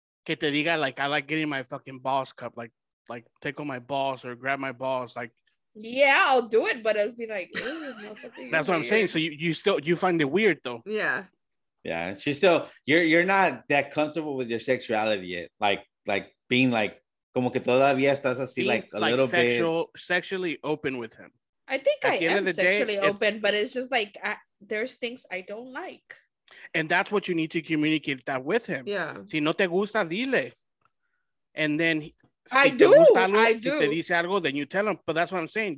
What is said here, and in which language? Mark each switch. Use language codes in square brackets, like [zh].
[es] que te diga, [en] like, I like getting my fucking balls cup, like tickle my balls or grab my balls. Like, yeah, I'll do it, but it'll be like, that's what I'm saying. So you still find it weird though. Yeah. Yeah. She's still, you're not that comfortable with your sexuality yet. Like being like, [es] como que todavía estás así, [en] sexually open with him. I think I am sexually open, but it's just like there's things I don't like. And that's what you need to communicate that with him. Yeah. [es] Si no te gusta, dile. [en] And then I do. [es] Te dice algo, [en] then you tell him. But that's what I'm saying.